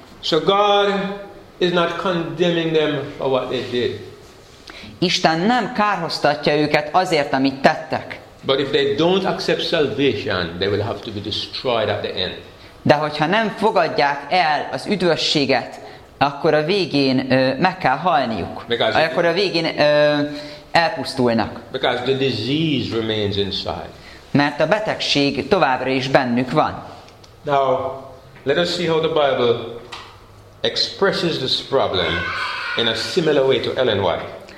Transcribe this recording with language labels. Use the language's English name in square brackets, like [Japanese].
[English] So God is not condemning them for what they did. [Hungarian] Isten nem kárhoztatja őket azért, amit tettek. [English] But if they don't accept salvation, they will have to be destroyed at the end. [Hungarian] De hogyha nem fogadják el az üdvösséget, akkor a végén meg kell halniuk. Akkor a végén elpusztulnak. [English] Because the disease remains inside. [Hungarian] Mert a betegség továbbra is bennük van. [English] Now, let us see how the Bible expresses this problem in a similar way to Ellen White.